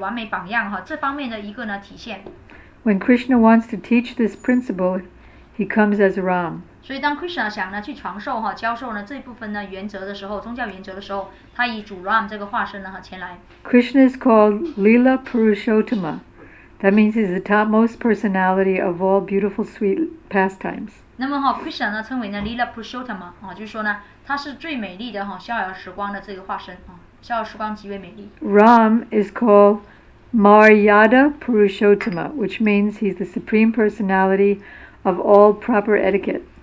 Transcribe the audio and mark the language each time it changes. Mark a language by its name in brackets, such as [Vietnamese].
[Chinese] 那么呢，主Ram的话呢，是Krishna的这个呢，美德啊，以及呢，这个社交啊，就社会生活方面的完美榜样哈，这方面的一个呢体现。 [English] When Krishna wants to teach this principle, he comes as Ram. [Chinese] 所以当Krishna想呢去传授哈，教授呢这部分呢原则的时候，宗教原则的时候，他以主Ram这个化身呢哈前来。Krishna [English] is called Lila Purushottama. That means he's the topmost personality of all beautiful, sweet pastimes. [Chinese] 那么哈，Krishna呢称为呢Lila Purushottama，就是说呢，他是最美丽的哈逍遥时光的这个化身，逍遥时光极为美丽。Ram [English] is called Maryada Purushottama, which means he's the supreme personality of all proper etiquette.